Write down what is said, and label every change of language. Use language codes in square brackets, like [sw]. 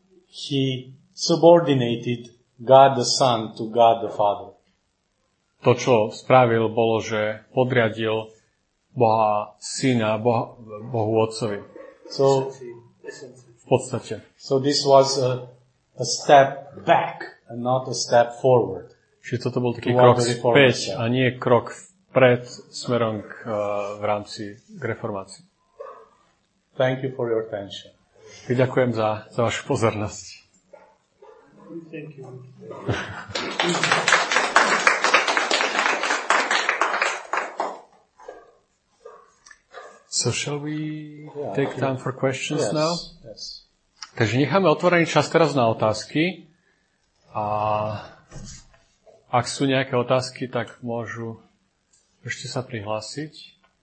[en] he subordinated God the Son to God the Father. [sk] To, čo spravil, bolo, že podriadil Boha Syna Bohu Otcovi. [en] So [sk] v podstate. [en] So this was a step back and not a step forward. [sk] Čiže toto bol taký krok späť a nie krok pred smerom v rámci k reformácii. [en] Thank you for your attention. [sk] Ďakujem za vašu pozornosť. [en] Thank you. So shall we take time for questions now? Yes. [sk] Takže necháme otvorený čas teraz na otázky. A ak sú nejaké otázky, tak môžu ešte sa prihlásiť.